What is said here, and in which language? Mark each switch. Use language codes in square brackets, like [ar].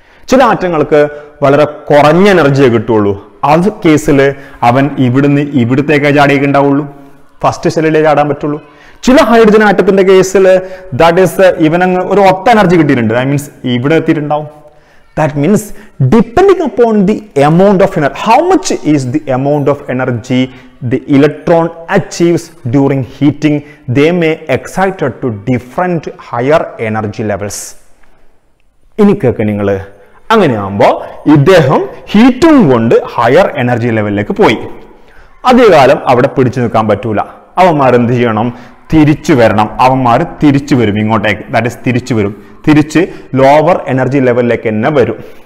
[ml] ചില ആറ്റങ്ങൾക്ക് വളരെ കുറഞ്ഞ എനർജിയേ കിട്ടുകയുള്ളൂ, അത് കേസിൽ അവൻ ഇവിടുന്ന് ഇവിടത്തേക്കേ ചാടിയിട്ടുണ്ടാവുള്ളൂ, ഫസ്റ്റ് ഷെല്ലിലേ ചാടാൻ പറ്റുള്ളൂ. ചില ഹൈഡ്രജൻ ആറ്റത്തിൻ്റെ കേസിൽ [en] that is [ml] ഇവനങ്ങ് ഒരു ഒത്ത എനർജി കിട്ടിയിട്ടുണ്ട്, [en] I means [ml] ഇവിടെ എത്തിയിട്ടുണ്ടാവും. [en] That means, depending upon the amount of energy, how much is the amount of energy the electron achieves during heating, they may excited to different higher energy levels. [ml] ഇനിക്കൊക്കെ നിങ്ങൾ, അങ്ങനെയാകുമ്പോൾ ഇദ്ദേഹം ഹീറ്റും കൊണ്ട് higher energy ലെവലിലേക്ക് പോയി. അധികകാലം അവിടെ പിടിച്ചു നിൽക്കാൻ പറ്റൂല, അവന്മാർ എന്ത് ചെയ്യണം, തിരിച്ചു വരണം. അവന്മാർ തിരിച്ചു വരും ഇങ്ങോട്ടേക്ക്, [en] that is [ml] തിരിച്ചു വരും, തിരിച്ച് ലോവർ എനർജി ലെവലിലേക്ക് തന്നെ വരും.